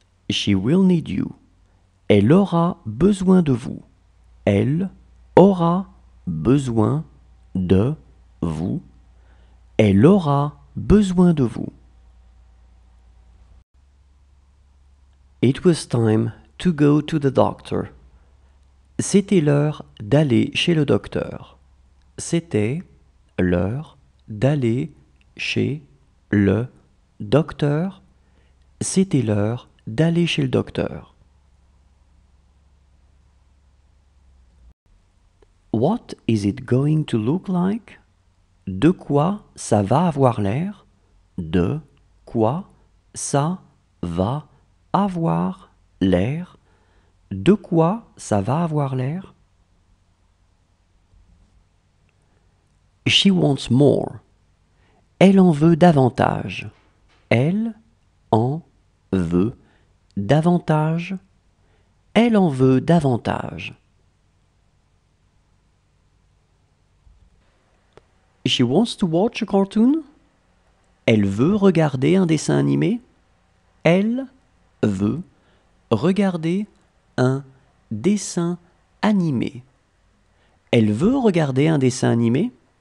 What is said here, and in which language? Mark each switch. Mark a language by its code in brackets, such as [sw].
[en] She will need you. [fr] Elle aura besoin de vous. Elle aura besoin de vous. Elle aura besoin de vous. [en] It was time to go to the doctor. [fr] C'était l'heure d'aller chez le docteur. C'était l'heure d'aller chez le docteur. C'était l'heure d'aller chez le docteur. [en] What is it going to look like? [fr] De quoi ça va avoir l'air? De quoi ça va avoir l'air? De quoi ça va avoir l'air? [en] She wants more. [fr] Elle en veut davantage. Elle en veut davantage. Elle en veut davantage. [en] She wants to watch a cartoon. [fr] Elle veut regarder un dessin animé. Elle veut regarder un dessin animé. Elle veut regarder un dessin animé.